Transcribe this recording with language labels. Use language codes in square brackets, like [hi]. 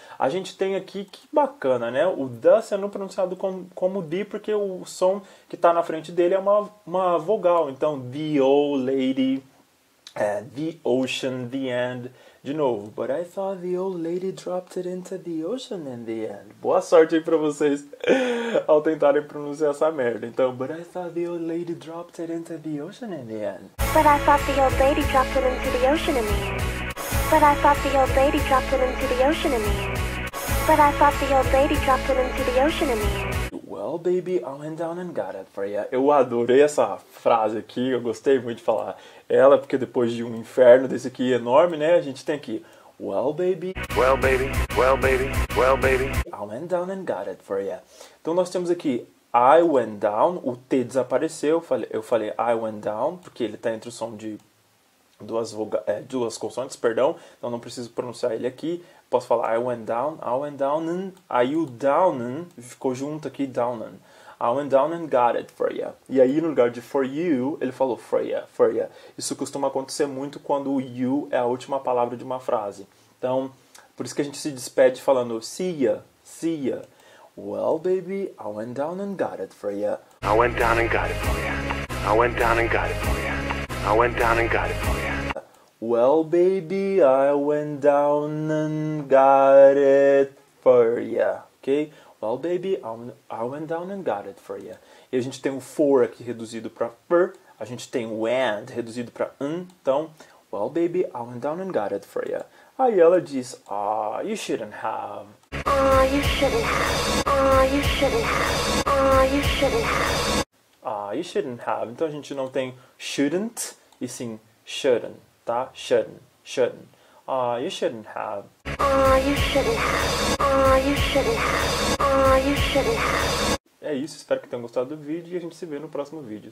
[pt] A gente tem aqui, que bacana, né? O the sendo pronunciado como the, porque o som que tá na frente dele é uma vogal. [en] Então, the old lady, the ocean, the end. [pt] De novo, [en] but I thought the old lady dropped it into the ocean in the end. [pt] Boa sorte aí pra vocês ao tentarem pronunciar essa merda. [en] Então, but I thought the old lady dropped it into the ocean in the end. But I thought the old lady dropped it into the ocean in the end. But I thought the old lady dropped it into the ocean in the end. But I thought the old lady dropped it into the ocean in the end. Well, baby, I went down and got it for you. [pt] Eu adorei essa frase aqui, eu gostei muito de falar ela, porque depois de um inferno desse aqui enorme, né, a gente tem aqui. [en] Well, baby. Well, baby. Well, baby. Well, baby. I went down and got it for you. [pt] Então nós temos aqui, [en] I went down, [pt] o T desapareceu, eu falei I went down, porque ele está entre o som de duas consoantes, perdão, então não preciso pronunciar ele aqui. Posso falar [en] I went down, [pt] aí o down, ficou junto aqui, down. [en] I went down and got it for you. [pt] E aí, no lugar de [en] for you, [pt] ele falou for you. Isso costuma acontecer muito quando o you é a última palavra de uma frase. Então, por isso que a gente se despede falando [en] see ya. Well, baby, I went down and got it for you. I went down and got it for you. I went down and got it for you. I went down and got it for you. Well, baby, I went down and got it for ya, ok? Well, baby, I went down and got it for ya. [pt] E a gente tem o for aqui reduzido para per, a gente tem o and reduzido para um, então, [en] well, baby, I went down and got it for ya. [pt] Aí ela diz, [en] ah, you shouldn't have. Ah, you shouldn't have. Ah, you shouldn't have. Ah, you shouldn't have. Ah, you shouldn't have. [pt] Então a gente não tem shouldn't, e sim shouldn't, tá? [en] Shouldn't, shouldn't. Ah, you shouldn't have. Ah, you shouldn't have. Ah, you shouldn't have. Ah, you shouldn't have. [pt] É isso, espero que tenham gostado do vídeo e a gente se vê no próximo vídeo.